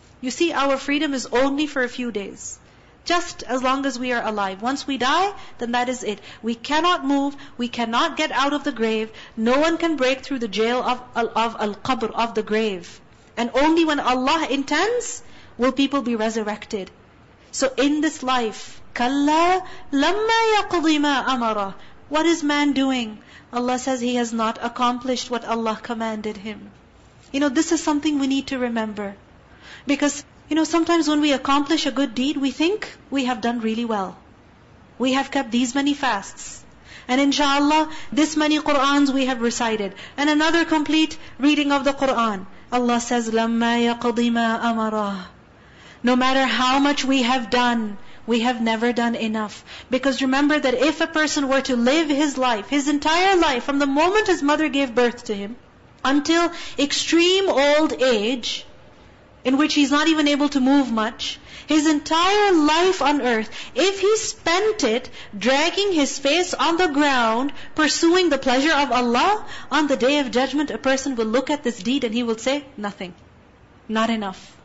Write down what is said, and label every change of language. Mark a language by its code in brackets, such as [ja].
[en] You see, our freedom is only for a few days. Just as long as we are alive. Once we die, then that is it. We cannot move, we cannot get out of the grave. No one can break through the jail of al-qabr, of the grave. And only when Allah intends, will people be resurrected. So in this life, [ar] كَلَّا لَمَّا يَقْضِ مَا أَمَرَ. [en] What is man doing? Allah says he has not accomplished what Allah commanded him. You know, this is something we need to remember. Because, you know, sometimes when we accomplish a good deed, we think we have done really well. We have kept these many fasts. And inshallah, this many Qur'ans we have recited. And another complete reading of the Qur'an. Allah says, [ar] لَمَّا يَقْضِ مَا أَمَرَ. [en] No matter how much we have done, we have never done enough. Because remember that if a person were to live his life, his entire life, from the moment his mother gave birth to him, until extreme old age, in which he's not even able to move much, his entire life on earth, if he spent it dragging his face on the ground, pursuing the pleasure of Allah, on the day of judgment, a person will look at this deed and he will say, nothing, not enough.